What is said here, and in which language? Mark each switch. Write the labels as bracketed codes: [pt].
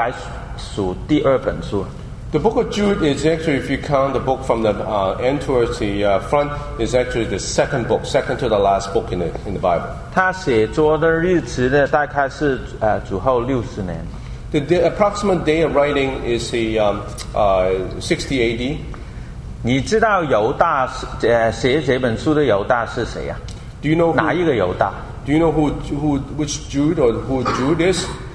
[en] Be myth by these prophecies. The book of Jude is actually, if you count the book from the end towards the front, is actually the second book, second to the last book in the Bible. [zh] 他写作的日子呢，大概是主后60年。 [en] The approximate day of writing is the 60 AD. [zh] 你知道犹大写这本书的犹大是谁呀? [en] Do you know who, [zh] 哪一个犹大? [en] Do you know which Jude or who Jude is?